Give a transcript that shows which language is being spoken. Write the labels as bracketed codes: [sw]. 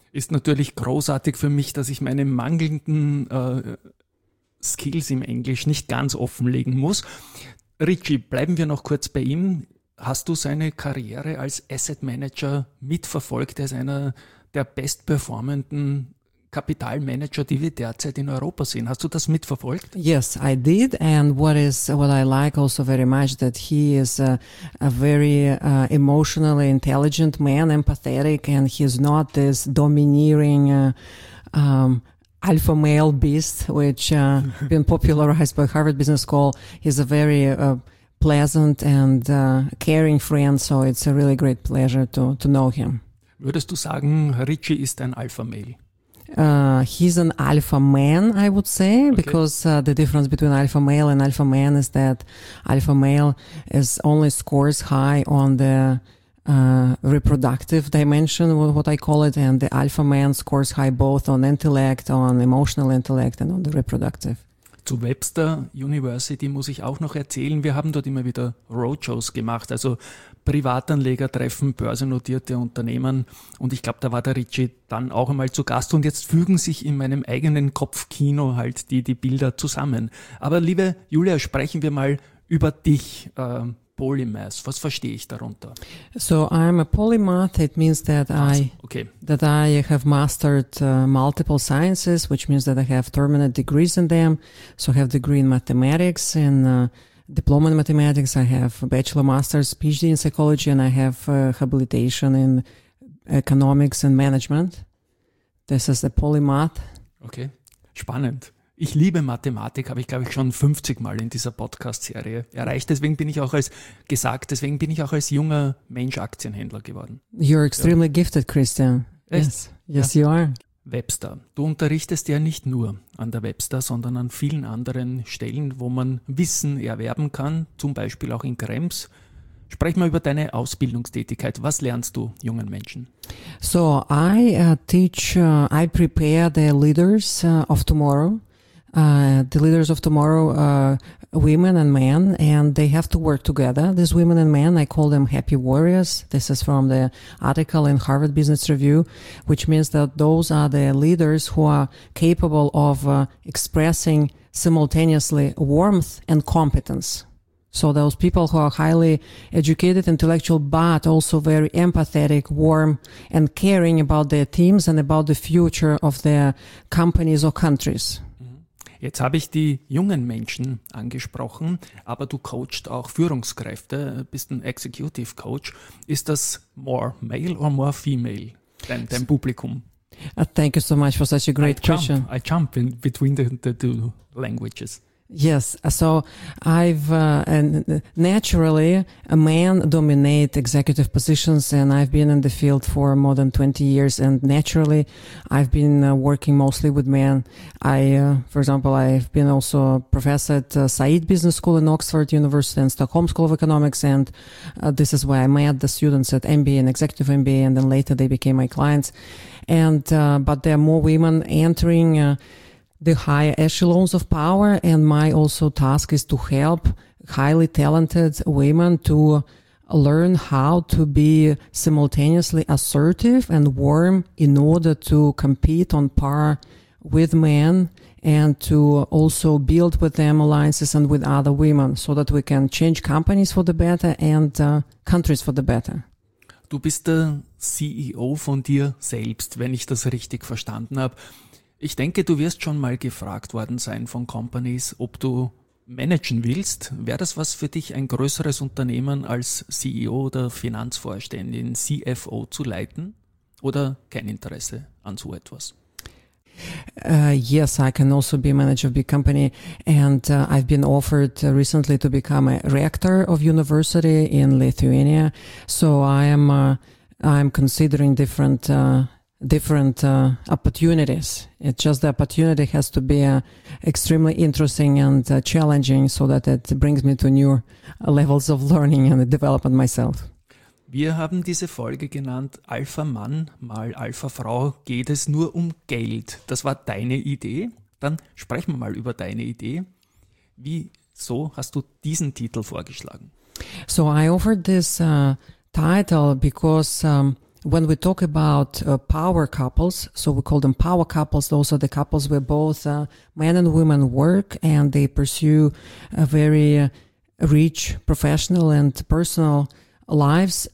[de] Ist natürlich großartig für mich, dass ich meine mangelnden Skills im Englisch nicht ganz offenlegen muss. Richie, bleiben wir noch kurz bei ihm. Hast du seine Karriere als Asset Manager mitverfolgt? Er ist einer der bestperformenden Kapitalmanager, die wir derzeit in Europa sehen. Hast du das mitverfolgt? [en] Yes, I did. And what I like also very much that he is a very emotionally intelligent man, empathetic, and he's not this domineering alpha male beast, which been popularized by Harvard Business School. He's a very pleasant and caring friend. So it's a really great pleasure to know him. [de] Würdest du sagen, Richie ist ein alpha male? [en] He's an alpha man, I would say, okay. Because the difference between alpha male and alpha man is that alpha male is only scores high on the reproductive dimension, what I call it, and the alpha man scores high both on intellect, on emotional intellect and on the reproductive. [de] Zu Webster University muss ich auch noch erzählen, wir haben dort immer wieder Roadshows gemacht, also Privatanleger treffen börsennotierte Unternehmen und ich glaube, da war der Richie dann auch einmal zu Gast und jetzt fügen sich in meinem eigenen Kopfkino halt die Bilder zusammen. Aber liebe Julia, sprechen wir mal über dich, Polymath, was verstehe ich darunter? So I'm a polymath, it means that that I have mastered multiple sciences, which means that I have terminate degrees in them, so I have degree in mathematics and diploma in mathematics, I have a bachelor, master's, PhD in psychology, and I have habilitation in economics and management. This is a polymath. Okay, spannend. Ich liebe Mathematik, habe ich glaube ich schon 50 Mal in dieser Podcast-Serie erreicht. Deswegen bin ich auch als junger Mensch Aktienhändler geworden. [en] You're extremely gifted, Christian. [de] Echt? [en] Yes, you are. [de] Webster. Du unterrichtest ja nicht nur an der Webster, sondern an vielen anderen Stellen, wo man Wissen erwerben kann, zum Beispiel auch in Krems. Sprech mal über deine Ausbildungstätigkeit. Was lernst du jungen Menschen? [en] So, I prepare the leaders of tomorrow. The leaders of tomorrow are women and men, and they have to work together. These women and men, I call them happy warriors. This is from the article in Harvard Business Review, which means that those are the leaders who are capable of expressing simultaneously warmth and competence. So those people who are highly educated, intellectual, but also very empathetic, warm, and caring about their teams and about the future of their companies or countries. [de] Jetzt habe ich die jungen Menschen angesprochen, aber du coachst auch Führungskräfte, bist ein Executive Coach. Ist das [en] more male or more female, [de] dein Publikum? [en] Thank you so much for such a great question. I jump in between the two languages. Yes, so naturally a man dominate executive positions, and I've been in the field for more than 20 years, and naturally I've been working mostly with men. I've been also a professor at Said Business School in Oxford University and Stockholm School of Economics, and this is where I met the students at MBA and Executive MBA, and then later they became my clients. But there are more women entering the higher echelons of power, and my also task is to help highly talented women to learn how to be simultaneously assertive and warm in order to compete on par with men, and to also build with them alliances and with other women so that we can change companies for the better and countries for the better. [de] Du bist der CEO von dir selbst, wenn ich das richtig verstanden habe. Ich denke, du wirst schon mal gefragt worden sein von Companies, ob du managen willst. Wäre das was für dich, ein größeres Unternehmen als CEO oder Finanzvorständin, CFO zu leiten? Oder kein Interesse an so etwas? [en] Yes, I can also be manager of a big company. And I've been offered recently to become a rector of university in Lithuania. So I'm considering different opportunities. It's just the opportunity has to be extremely interesting and challenging, so that it brings me to new levels of learning and development myself. [de] Wir haben diese Folge genannt Alpha Mann mal Alpha Frau. Geht es nur um Geld? Das war deine Idee. Dann sprechen wir mal über deine Idee. Wieso hast du diesen Titel vorgeschlagen? [en] So I offered this title because when we talk about power couples, so we call them power couples, those are the couples where both men and women work and they pursue a very rich professional and personal lives.